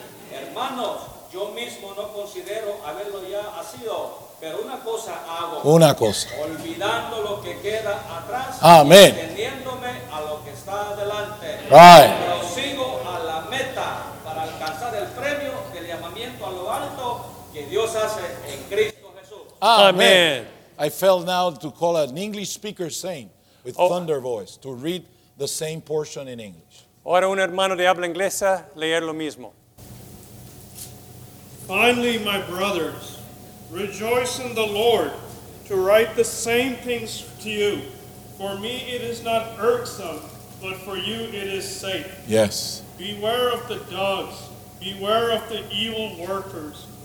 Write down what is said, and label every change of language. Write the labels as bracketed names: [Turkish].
[Spanish] Hermanos, yo mismo no considero haberlo ya ha sido, pero una cosa hago. Una cosa. Olvidando lo que queda atrás. Amén. Extendiéndome a lo que está adelante. [English] Right. [Spanish] Prosigo a la meta para alcanzar el premio del llamamiento a lo alto que Dios hace en Cristo Jesús. Amén. [English] I fell now to call an English speaker saint with thunder voice to read the same portion in English. [Spanish] Ahora un hermano de habla inglesa leer lo mismo. [English] Finally, my brothers, rejoice in the Lord to write the same things to you. For me it is not irksome, but for you it is safe. Yes. Beware of the dogs. Beware of the evil workers.